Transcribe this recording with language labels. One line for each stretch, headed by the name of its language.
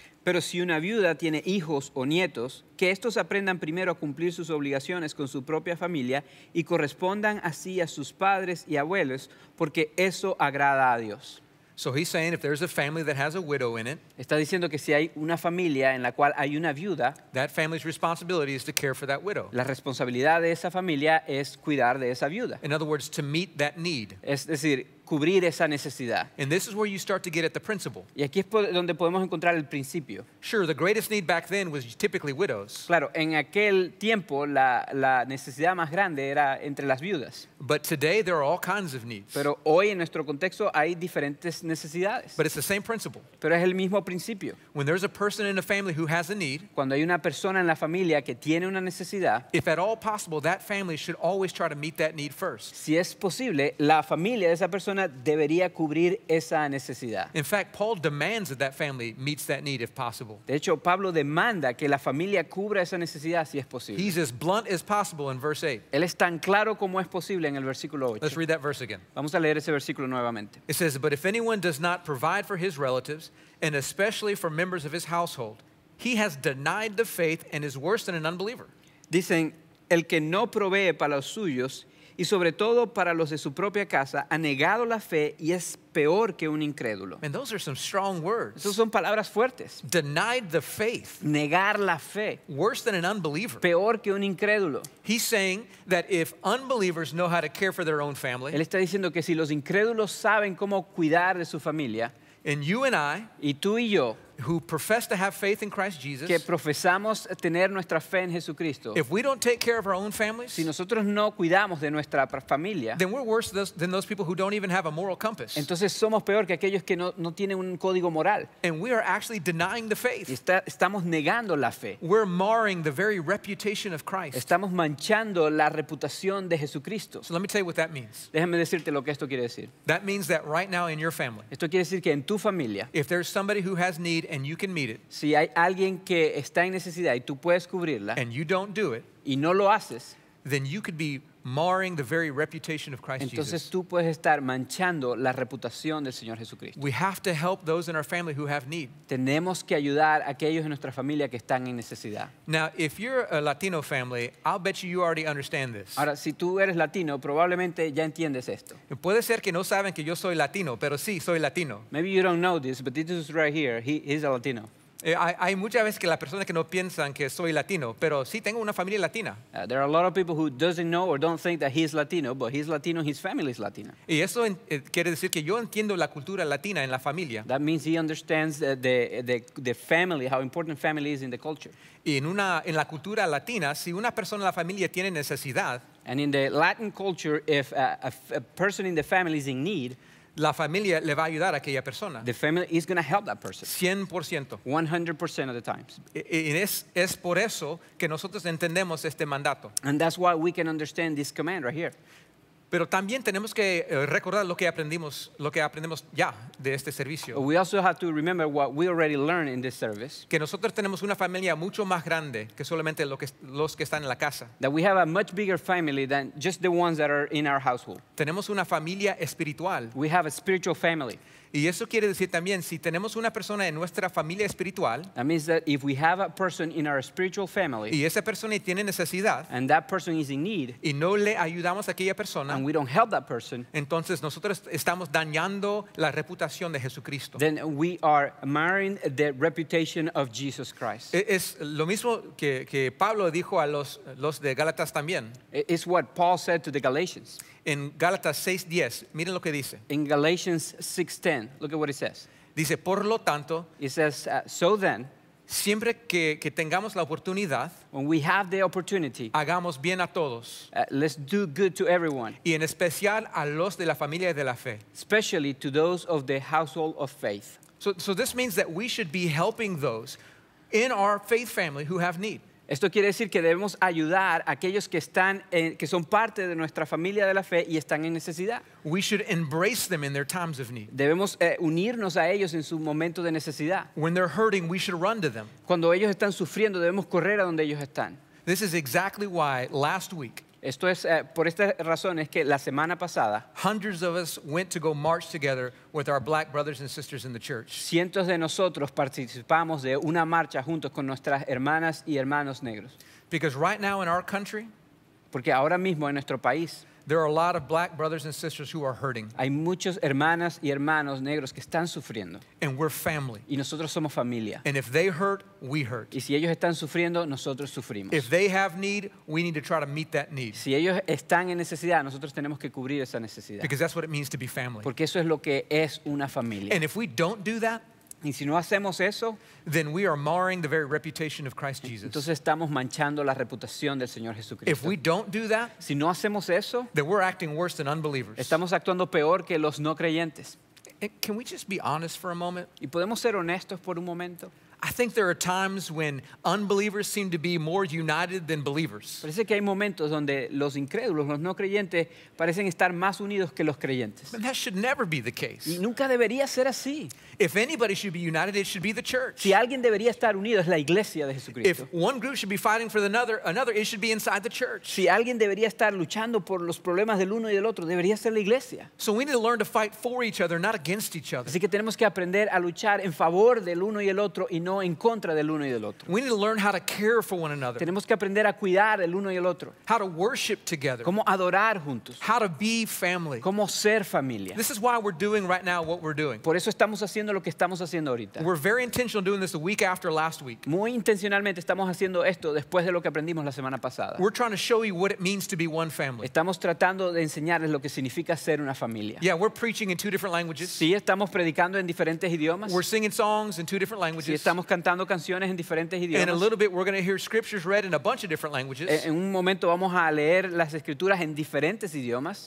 Spanish: Pero si una viuda tiene hijos o nietos, que estos aprendan primero a cumplir sus obligaciones con su propia familia y correspondan así a sus padres y abuelos, porque eso agrada a Dios.
English: So he's saying if there's a family that has a widow in it,
Spanish: está diciendo que si hay una familia en la cual hay una viuda,
English: that family's responsibility is to care for that widow.
Spanish: La responsabilidad de esa familia es cuidar de esa viuda.
English: In other words, to meet that need.
Spanish: Es decir, cubrir esa necesidad.
English: And this is where you start to get at the principle.
Spanish: Y aquí es donde podemos encontrar el principio.
English: Sure, the greatest need back then was typically widows.
Spanish: Claro, en aquel tiempo la necesidad más grande era entre las viudas.
English: But today there are all kinds of needs.
Spanish: Pero hoy en nuestro contexto hay diferentes necesidades.
English: But it's the same principle.
Spanish: Pero es el mismo principio.
English: When there's a person in a family who has a need,
Spanish: cuando hay una persona en la familia que tiene una necesidad,
English: if at all possible, that family should always try to meet that need first.
Spanish: Si es posible, la familia de esa persona debería cubrir esa necesidad.
English: In fact, Paul demands that family meets that need if possible.
Spanish: De hecho, Pablo demanda que la familia cubra esa necesidad si es posible.
English: He's as blunt as possible in verse 8.
Spanish: Él es tan claro como es posible en el versículo 8.
English: Let's read that verse again.
Spanish: Vamos a leer ese versículo nuevamente.
English: It says, but if anyone does not provide for his relatives and especially for members of his household, he has denied the faith and is worse than an unbeliever.
Spanish: Dicen, el que no provee para los suyos y sobre todo para los de su propia casa, ha negado la fe y es peor que un incrédulo.
English: And those are some strong words.
Spanish: Esos son palabras fuertes.
English: Denied the faith.
Spanish: Negar la fe.
English: Worse than an unbeliever.
Spanish: Peor que un incrédulo.
English: He's saying that if unbelievers know how to care for their own family,
Spanish: él está diciendo que si los incrédulos saben cómo cuidar de su familia,
English: and you and I,
Spanish: y tú y yo,
English: who profess to have faith in Christ Jesus,
Spanish: que profesamos tener nuestra fe en Jesucristo,
English: if we don't take care of our own families,
Spanish: si nosotros no cuidamos de nuestra familia,
English: then we're worse than those people who don't even have a moral compass.
Spanish: Entonces somos peor que aquellos que no tienen un código moral.
English: And we are actually denying the faith.
Spanish: Estamos negando la fe.
English: We're marring the very reputation of Christ.
Spanish: Estamos manchando la reputación de Jesucristo.
English: So let me tell you what that means.
Spanish: Déjame decirte lo que esto quiere decir.
English: That means that right now in your family,
Spanish: esto quiere decir que en tu familia,
English: if there's somebody who has need and you can meet it,
Spanish: si hay alguien que está en necesidad y tú puedes cubrirla,
English: and you don't do it,
Spanish: y no lo haces,
English: then you could be marring the very reputation of Christ
Spanish: entonces
English: Jesus.
Spanish: Tú puedes estar manchando la reputación del Señor Jesucristo.
English: We have to help those in our family who have need.
Spanish: Tenemos que ayudar a aquellos en nuestra familia que están en necesidad.
English: Now, if you're a Latino family, I'll bet you already understand this.
Spanish: Ahora, si tú eres Latino, probablemente ya entiendes esto. Puede ser que no saben que yo soy Latino, pero sí, soy Latino.
English: Maybe you don't know this, but this is right here. He's a Latino.
Spanish: Hay muchas veces que las personas que no piensan que soy latino, pero sí tengo una familia latina.
English: There are a lot of people who doesn't know or don't think that he's Latino, but he's Latino, his family is Latina.
Spanish: Y eso quiere decir que yo entiendo la cultura latina en la familia.
English: That means he understands the family, how important family is in the culture.
Spanish: Y en la cultura latina, si una persona en la familia tiene necesidad,
English: and in the Latin culture, if a person in the family is in need,
Spanish: la familia le va a ayudar a aquella persona.
English: The family is going to help that person.
Spanish: 100%.
English: 100% of the times.
Spanish: Es por eso que nosotros entendemos este mandato.
English: And that's why we can understand this command right here.
Spanish: Pero también tenemos que recordar lo que aprendimos ya de este servicio.
English: We also have to remember what we already learned in this service.
Spanish: Que nosotros tenemos una familia mucho más grande que solamente los que están en la casa.
English: That we have a much bigger family than just the ones that are in our household.
Spanish: Tenemos una familia espiritual.
English: We have a spiritual family.
Spanish: Y eso quiere decir también, si tenemos una persona en nuestra familia espiritual,
English: that means that if we have a person in our spiritual family,
Spanish: y esa persona tiene necesidad,
English: and that person is in need,
Spanish: y no le ayudamos a aquella persona,
English: and we don't help that person,
Spanish: entonces nosotros estamos dañando la reputación de Jesucristo.
English: Then we are marring the reputation of Jesus Christ.
Spanish: Es lo mismo que Pablo dijo a los de Gálatas también.
English: It's what Paul said to the Galatians.
Spanish: En Gálatas 6:10, miren lo que dice.
English: In Galatians 6:10, look at what it says.
Spanish: Dice, por lo tanto,
English: it says, so then,
Spanish: siempre que tengamos la oportunidad,
English: when we have the opportunity,
Spanish: hagamos bien a todos,
English: let's do good to everyone,
Spanish: y en especial a los de la familia de la fe,
English: especially to those of the household of faith. So this means that we should be helping those in our faith family who have need.
Spanish: Esto quiere decir que debemos ayudar a aquellos que están que son parte de nuestra familia de la fe y están en necesidad.
English: We should embrace them in their times of need.
Spanish: Debemos unirnos a ellos en su momento de necesidad.
English: When they're hurting, we should run to them.
Spanish: Cuando ellos están sufriendo, debemos correr a donde ellos están.
English: This is exactly why last week,
Spanish: esto es por esta razón es que la semana pasada,
English: hundreds of us went to go march together with our black brothers and sisters in the church.
Spanish: Cientos de nosotros participamos de una marcha juntos con nuestras hermanas y hermanos negros.
English: Because right now in our country,
Spanish: porque ahora mismo en nuestro país,
English: there are a lot of black brothers and sisters who are hurting.
Spanish: Hay muchos hermanas y hermanos negros que están sufriendo.
English: And we're family.
Spanish: Y nosotros somos familia.
English: And if they hurt, we hurt.
Spanish: Y si ellos están sufriendo, nosotros sufrimos.
English: If they have need, we need to try to meet that need.
Spanish: Si ellos están en necesidad, nosotros tenemos que cubrir esa necesidad.
English: Because that's what it means to be family.
Spanish: Porque eso es lo que es una familia.
English: And if we don't do that,
Spanish: y si no hacemos eso,
English: then we are marring the very reputation of Christ Jesus.
Spanish: Entonces estamos manchando la reputación del Señor Jesucristo.
English: If we don't do that,
Spanish: si no hacemos eso,
English: then we're acting worse than unbelievers.
Spanish: Estamos actuando peor que los no creyentes.
English: Can we just be honest for a moment?
Spanish: ¿Y podemos ser honestos por un momento?
English: I think there are times when unbelievers seem to be more united than believers.
Spanish: Parece que hay momentos donde los incrédulos, los no creyentes, parecen estar más unidos que los creyentes.
English: But that should never be the case.
Spanish: Y nunca debería ser así.
English: If anybody should be united, it should be the church.
Spanish: Si alguien debería estar unido, es la iglesia de Jesucristo.
English: If one group should be fighting for another, it should be inside the church.
Spanish: Si alguien debería estar luchando por los problemas del uno y del otro, debería ser la iglesia.
English: So we need to learn to fight for each other, not against each other.
Spanish: Así que tenemos que aprender a luchar en favor del uno y el otro y no no en contra del uno y del otro.
English: We need to learn how to care for one another.
Spanish: Tenemos que aprender a cuidar el uno y el otro.
English: How to worship together.
Spanish: Cómo adorar juntos.
English: How to be family.
Spanish: Cómo ser familia.
English: This is why we're doing right now what we're doing.
Spanish: Por eso estamos haciendo lo que estamos haciendo ahorita.
English: We're very intentional doing this the week after last week.
Spanish: Muy intencionalmente estamos haciendo esto después de lo que aprendimos la semana pasada.
English: We're trying to show you what it means to be one family.
Spanish: Estamos tratando de enseñarles lo que significa ser una familia.
English: Yeah, we're preaching in two different languages.
Spanish: Sí, estamos predicando en diferentes idiomas.
English: We're singing songs in two different languages.
Spanish: Sí, estamos cantando canciones en diferentes idiomas.
English: In a little bit, we're going to hear scriptures read in a bunch of different languages.
Spanish: En un momento vamos a leer las escrituras en diferentes idiomas.